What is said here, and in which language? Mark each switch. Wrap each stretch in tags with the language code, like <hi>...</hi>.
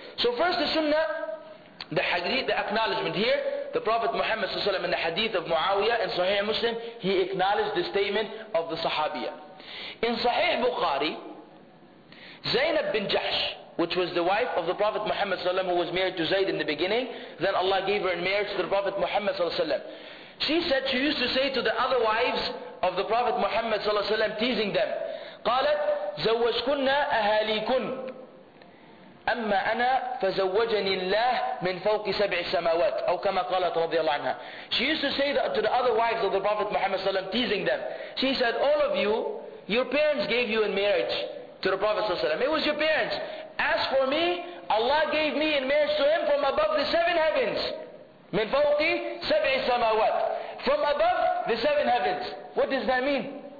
<en>So first the Sunnah, the hadith, the acknowledgement here, the Prophet Muhammad ﷺ in the hadith of Muawiyah in Sahih Muslim, he acknowledged the statement of the Sahabiyya. In Sahih Bukhari, Zainab bin Jahsh, which was the wife of the Prophet Muhammad ﷺ, who was married to Zayd in the beginning, then Allah gave her in marriage to the Prophet Muhammad ﷺ. She said she used to say to the other wives of the Prophet Muhammad ﷺ, teasing them,</en> <ar>قالت زوجكن أهاليكن أما أنا فزوجني الله من فوق سبع سماوات أو كما قالت رضي الله عنها.</ar> <en>She used to say that to the other wives of the Prophet Muhammad صلى الله عليه وسلم, teasing them. She said, "All of you, your parents gave you in marriage to the Prophet صلى الله عليه وسلم. It was your parents. As for me, Allah gave me in marriage to him from above the seven heavens.</en> <ar>من فوق سبع سماوات.</ar> <en>From above the seven heavens. What does that mean?</en>